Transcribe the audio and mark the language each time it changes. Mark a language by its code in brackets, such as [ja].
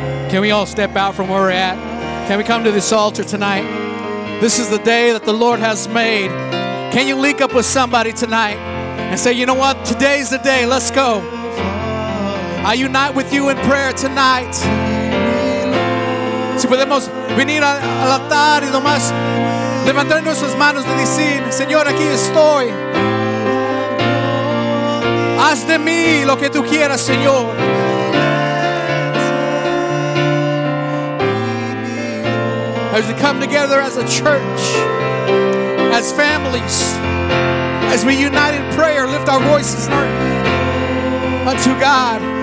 [en] Can we all step out from where we're at? Can we come to this altar tonight? This is the day that the Lord has made. Can you link up with somebody tonight and say, you know what? Today's the day. Let's go. I unite with you in prayer tonight. [es] Si podemos venir al altar y nomás levantar nuestras manos y decir, Señor, aquí estoy. Haz de mí lo que tú quieras, Señor. [en] As we come together as a church, as families, as we unite in prayer, lift our voices unto God.